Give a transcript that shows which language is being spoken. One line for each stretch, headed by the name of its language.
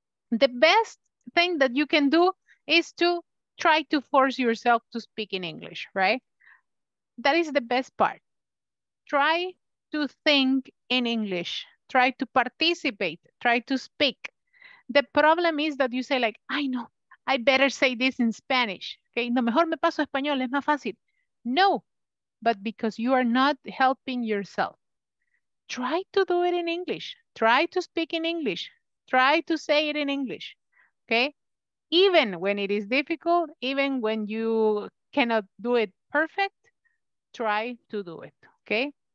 English: The best thing that you can do is to try to force yourself to speak in English, right? That is the best part. Try to think in English. Try to participate. Try to speak. The problem is that you say like, I know, I better say this in Spanish.
Spanish: Okay, no, mejor me paso a español, es más fácil.
English: No, but because you are not helping yourself. Try to do it in English. Try to speak in English. Try to say it in English, okay? Even when it is difficult, even when you cannot do it perfect, try to do it, okay?